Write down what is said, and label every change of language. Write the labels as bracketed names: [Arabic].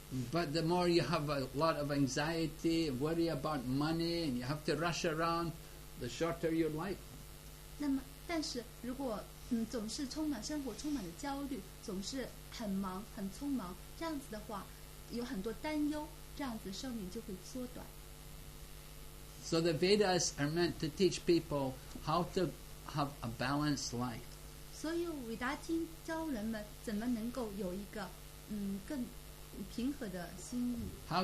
[English] But the more you have a lot of anxiety, worry about money, and you have to rush around, the shorter your life. [Chinese] 那么，但是如果总是充满生活充满了焦虑，总是很忙很匆忙，这样子的话。 [English] So the Vedas are meant to teach people how to have a balanced life. [Chinese] 所以伟达经教人们怎么能够有一个更平和的心意。 [English] How